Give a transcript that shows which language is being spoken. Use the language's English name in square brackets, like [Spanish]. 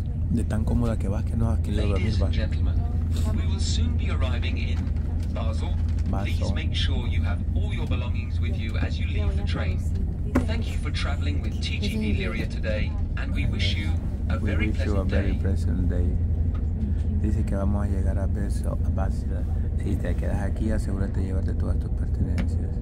[Spanish] De tan cómoda que vas que no has querido dormir, vas. [English] Please make sure you have all your belongings with you as you leave the train. Thank you for traveling with TGV Lyria today, and we wish you a very pleasant day. [Spanish] Dice que vamos a llegar a Basila. Si te quedas aquí, asegúrate de llevarte todas tus pertenencias.